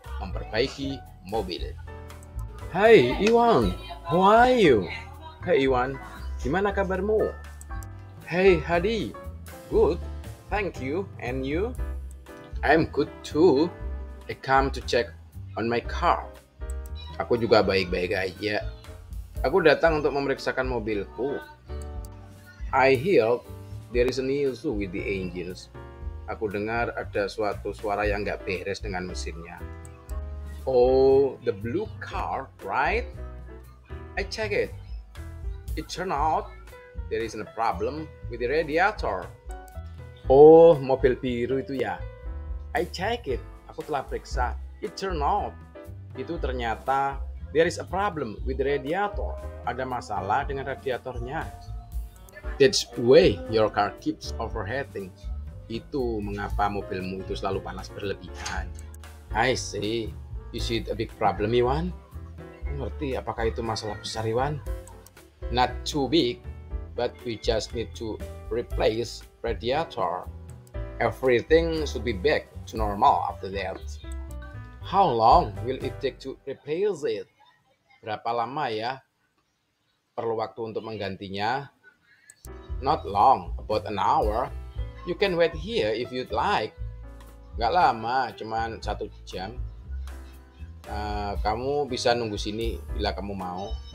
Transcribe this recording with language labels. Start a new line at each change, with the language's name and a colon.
Indonesian: Memperbaiki mobil.
English: Hey, Iwan. How are you? Hey, Iwan.
Indonesian: Gimana kabarmu?
English: Hey, Hadi. Good. Thank you. And you? I'm good too. I come to check on my car.
Indonesian: Aku juga baik-baik aja. Aku datang untuk memeriksakan mobilku.
English: I hear there is an issue with the engines.
Indonesian: Aku dengar ada suatu suara yang enggak beres dengan mesinnya.
English: Oh, the blue car, right? I check it. It turned out there is a problem with the radiator.
Indonesian: Oh, mobil biru itu ya.
English: I check it.
Indonesian: Aku telah periksa.
English: It turned out.
Indonesian: Itu ternyata
English: there is a problem with the radiator.
Indonesian: Ada masalah dengan radiatornya.
English: That's why your car keeps overheating.
Indonesian: Itu mengapa mobilmu itu selalu panas berlebihan.
English: I see. Is it a big problem, Iwan?
Indonesian: Ngerti, apakah itu masalah besar, Iwan?
English: Not too big, but we just need to replace radiator. Everything should be back to normal after that. How long will it take to replace it?
Indonesian: Berapa lama ya? Perlu waktu untuk menggantinya?
English: Not long, about an hour. You can wait here if you'd like.
Indonesian: Gak lama, cuman 1 jam. Kamu bisa nunggu sini bila kamu mau.